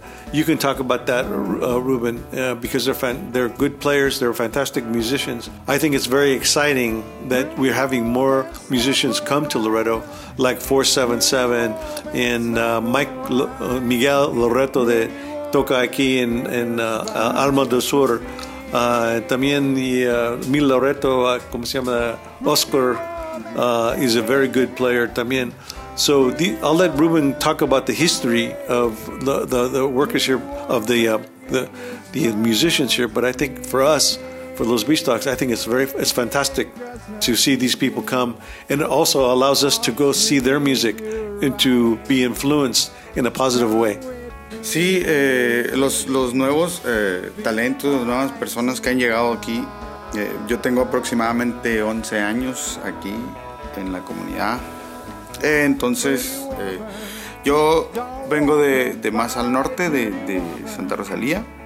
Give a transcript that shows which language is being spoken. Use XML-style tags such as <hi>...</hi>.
<en>You can talk about that, Ruben, because they're good players. They're fantastic musicians. I think it's very exciting that we're having more musicians come to Loreto, like 477 and Miguel Loreto de toca aquí en Alma del Sur. También Mil Loreto,</en> <es>como se llama,</es> <en>Oscar, is a very good player también. So I'll let Ruben talk about the history of the workers here, of the musicians here. But I think for us, for Los Beachdogs, I think it's fantastic to see these people come. And it also allows us to go see their music and to be influenced in a positive way.</en> <es>Sí, los nuevos talentos, nuevas personas que han llegado aquí. Yo tengo aproximadamente 11 años aquí en la comunidad. Entonces, yo vengo de más al norte, de Santa Rosalía.</es>